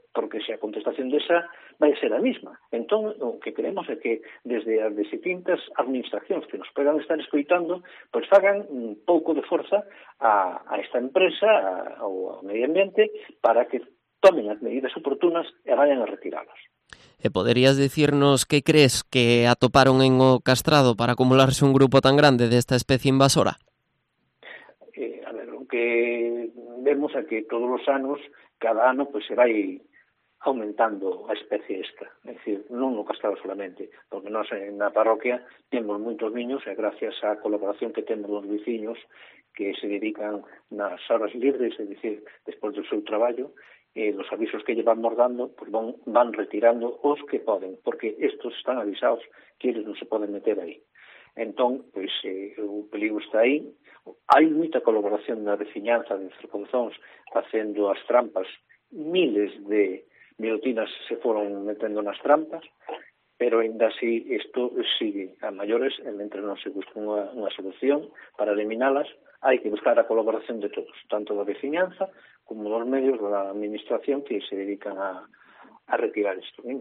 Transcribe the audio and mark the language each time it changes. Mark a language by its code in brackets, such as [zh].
[gl] Porque se a contestación desa vai ser a mesma. Entón, o que queremos é que desde as distintas administracións que nos podan estar escoitando, pois fagan un pouco de forza a esta empresa ou ao Medio Ambiente para que tomen as medidas oportunas e [es] vayan a retirarlas. ¿E poderías decirnos qué crees que atoparon en o castrado para acumularse un grupo tan grande de esta especie invasora? A ver, lo que vemos es que todos los años, cada año, pues se va aumentando a especie esta. [gl] Es decir, non o castrado solamente, porque nós na parroquia temos moitos viños e gracias á colaboración que temos dos veciños que se dedican nas horas libres, es decir, despois do seu traballo, os avisos que llevan mordando, pues van retirando os que poden, porque [es] estos están avisados que [gl] eles non se poden meter aí. Entón, pues, o peligro está aí. Hai moita colaboración na veciñanza de Cerconzóns facendo as trampas, miles de melotinas se foron metendo nas trampas, pero ainda así isto sigue a maiores, e mentre non se busca unha solución para eliminalas, hai que buscar a colaboración de todos, tanto da veciñanza como dos medios da administración que se dedican a retirar isto.